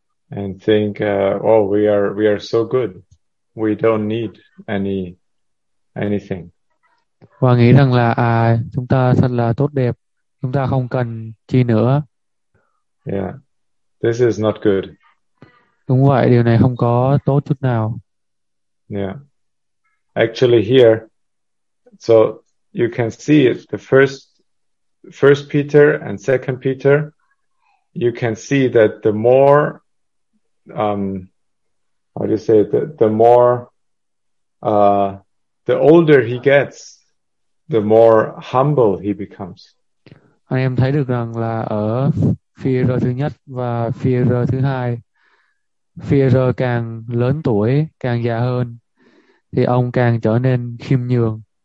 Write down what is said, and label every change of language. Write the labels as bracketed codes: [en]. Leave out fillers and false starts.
[en] And think we are so good. We don't need anything. [vi] Và nghĩ rằng là chúng ta thật là tốt đẹp, chúng ta không cần chi nữa. [en] Yeah. This is not good. [vi] Đúng vậy, điều này không có tốt chút nào. [en] Yeah. Actually here, so you can see it, the first Peter and second Peter, you can see that the more the older he gets, the more humble he becomes. [vi] Anh em thấy được rằng là ở Phi-e-rơ thứ nhất và Phi-e-rơ thứ hai, Phi-e-rơ càng lớn tuổi, càng già hơn, thì ông càng trở nên khiêm nhường.